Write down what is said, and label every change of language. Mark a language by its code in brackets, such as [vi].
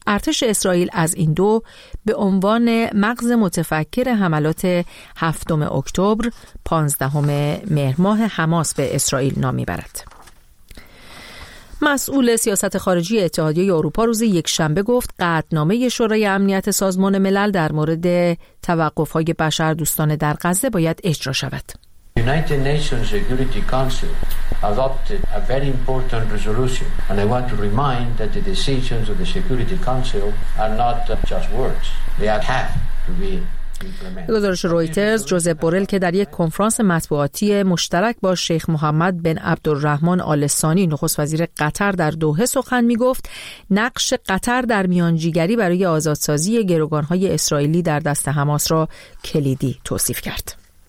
[fa] ارتش اسرائیل از این دو به عنوان مغز متفکر حملات 7 اکتبر 15 مهر ماه حماس به اسرائیل نام می‌برد. مسئول سیاست خارجی اتحادیه اروپا روز یک شنبه گفت قطعنامه شورای امنیت سازمان ملل در مورد توقف‌های بشردوستانه در غزه باید اجرا شود. [en] United Nations Security Council adopted a very important resolution and I want to remind that the decisions of the Security Council are not just words. They have to be. [fa] گزارش رویترز جوزف بورل که در یک کنفرانس مطبوعاتی مشترک با شیخ محمد بن عبدالرحمن آل ثانی نخست وزیر قطر در دوحه سخن می گفت نقش قطر در میانجیگری برای آزادسازی گروگان‌های اسرائیلی در دست حماس را کلیدی توصیف کرد.